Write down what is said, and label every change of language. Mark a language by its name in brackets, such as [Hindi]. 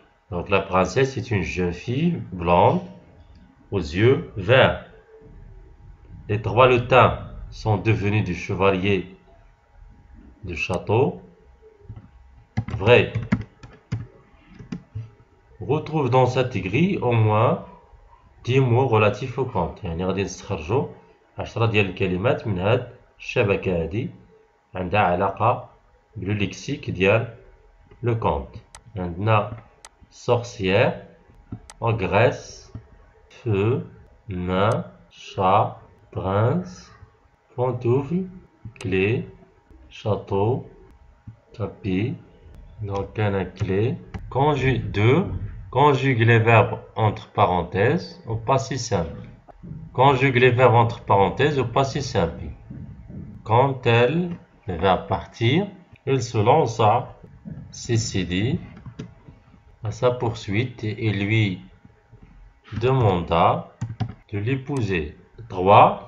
[French] Donc la princesse est une jeune fille blonde aux yeux verts. Les trois lutins sont devenus des chevaliers du château. Vrai. Retrouve dans cette grille au moins 10 mots relatifs au conte. [Arabic] يعني غادي نستخرجوا 10 ديال الكلمات من هاد الشبكة هادي عندها علاقة بلو ليكسيك ديال لو كونت. [French] عندنا سورسيير اوغريس فو نان شا برانس بونتوفل كلي شاتو تابي. Donc, un clé. Conjugue les verbes entre parenthèses au passé simple. Conjugue les verbes entre parenthèses au passé simple. Quand elle va partir, il se lança, ceci dit, à sa poursuite et lui demanda de l'épouser. 3.